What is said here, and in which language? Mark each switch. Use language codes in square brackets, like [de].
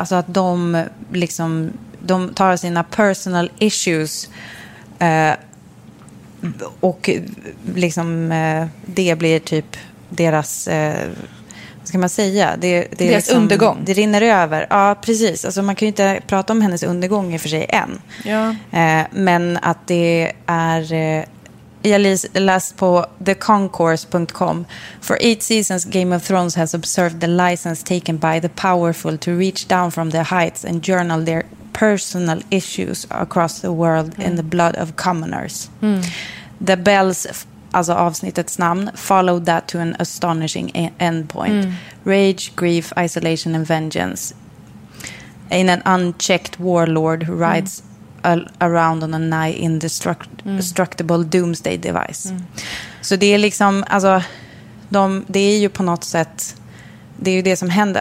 [sv] Alltså att de liksom, de tar sina [en] personal issues [sv] och liksom det blir typ deras vad ska man säga? Deras liksom, undergång. Det rinner över. Ja, precis. Alltså man kan ju inte prata om hennes undergång i för sig än. Ja. Men att det är jag läst på theconcourse.com. [en] For 8 seasons, Game of Thrones has observed the license taken by the powerful to reach down from their heights and journal their personal issues across the world in the blood of commoners. Mm. The Bells, [sv] alltså avsnittets namn, [en] followed that to an astonishing endpoint. Mm. Rage, grief, isolation and vengeance. In an unchecked warlord who rides around on a nigh indestructible doomsday device. Mm. [sv] Så det är liksom, alltså, det är ju på något sätt, det är ju det som händer.